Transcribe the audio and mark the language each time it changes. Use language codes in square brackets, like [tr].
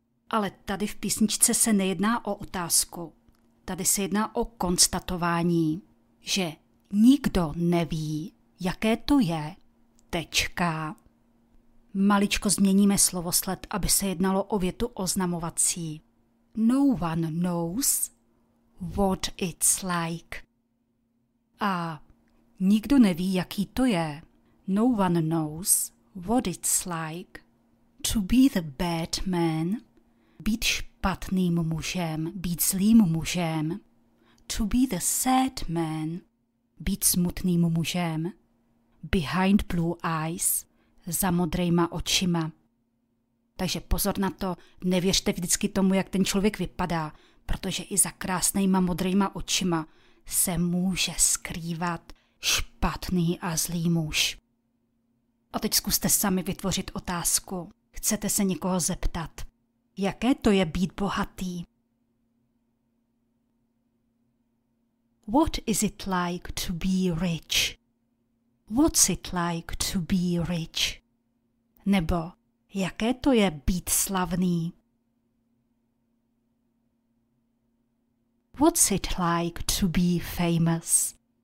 [cs] Ale tady v písničce se nejedná o otázku. Tady se jedná o konstatování, že nikdo neví, jaké to je. Tečka. Maličko změníme slovosled, aby se jednalo o větu oznamovací. [en] No one knows what it's like. [cs] A nikdo neví, jaký to je. [en] No one knows what it's like to be the bad man. [cs] Být špatným mužem, být zlým mužem. [en] To be the sad man, [cs] být smutným mužem. [en] Behind blue eyes, [cs] za modrejma očima. Takže pozor na to, nevěřte vždycky tomu, jak ten člověk vypadá, protože i za krásnýma modrejma očima se může skrývat špatný a zlý muž. A teď zkuste sami vytvořit otázku. Chcete se někoho zeptat? Jaké to je být bohatý? [en] What is it like to be rich? What's it like to be rich? [cs] Nebo jaké to je být slavný? [en] What's it like to be famous?